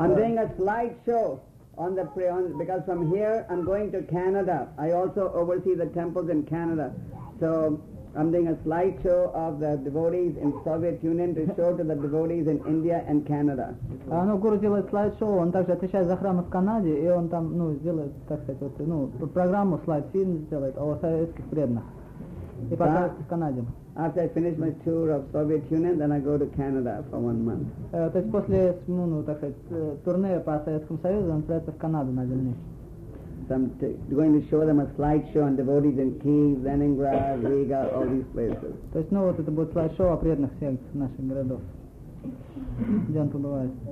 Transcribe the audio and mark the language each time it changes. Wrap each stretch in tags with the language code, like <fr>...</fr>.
<en>I'm doing a slide show on the prayer because from here I'm going to Canada. I also oversee the temples in Canada, so something, a slideshow of the devotees in Soviet Union to show to the devotees in India and Canada.</en> <ru>Ну, Гуру делает слайд-шоу, он также отвечает за храмы в Канаде, и он там, ну, сделает, так сказать, вот, ну, программу, слайд-фильм сделает о советских преданных. И покажет в Канаде.</ru> <en>After I finish my tour of Soviet Union, then I go to Canada for 1 month.</en> <ru>То есть после, ну, так сказать, турне по Советскому Союзу, он отправится в Канаду на дальнейшем.</ru> <en>I'm going to show them a slideshow on devotees in Kyiv, Leningrad, Riga, all these places.</en> <ru>То есть, ну вот это будет слайд-шоу о преданных всех наших городов, где он побывает.</ru>